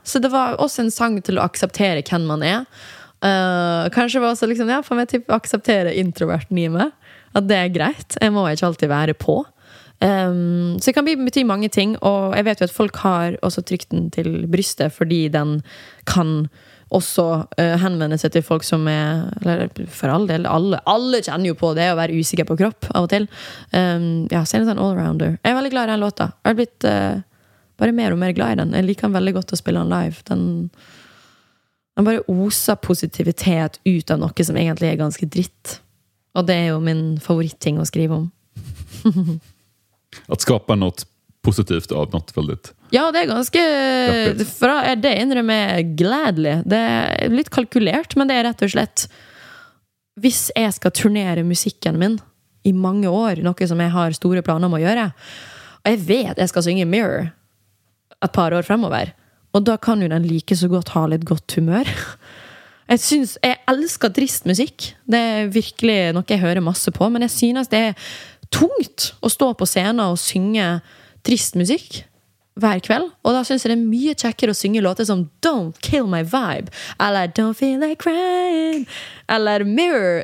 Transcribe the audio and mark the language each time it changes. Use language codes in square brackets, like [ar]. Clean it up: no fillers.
[sv] Så det var också en sång till att acceptera vem man är. Kanske var så liksom, ja, för mig typ acceptera introvert i mig, att det är grejt. Jag måste inte alltid vara på. [no] Så det kan bety mange ting. Og jeg vet jo at folk har også trykt den til brystet, fordi den kan også henvende seg til folk som er, eller for all del, alle kjenner jo på det å være usikker på kropp av og til. Ja, så er det en allrounder. Jeg er veldig glad i den låta. Jeg har blitt bare mer og mer glad i den. Jeg liker den veldig godt å spille den live. Den bare oser positivitet ut av noe som egentlig er ganske dritt. Og det er jo min favorittting å skrive om. [sv] Att skapa något positivt av något väldigt. Ja, det är ganska för är det inre med glädje. Det är lite kalkulerat, men det är rätt och slett. Hvis jag ska turnera musiken min i många år, något som jag har stora planer om att göra. Och jag vet jag ska synge Mirror ett par år framöver. Och då kan ju den lika så gott ha lite gott humör. [no] Jeg synes, jeg elsker trist musik. Det er virkelig noe jeg hører masse på, men jeg synes det er tungt å stå på scenen og synge trist musik hver kveld. Og da synes jeg det er mye kjekkere å synge låter som Don't Kill My Vibe, eller Don't Feel Like Crying, eller Mirror.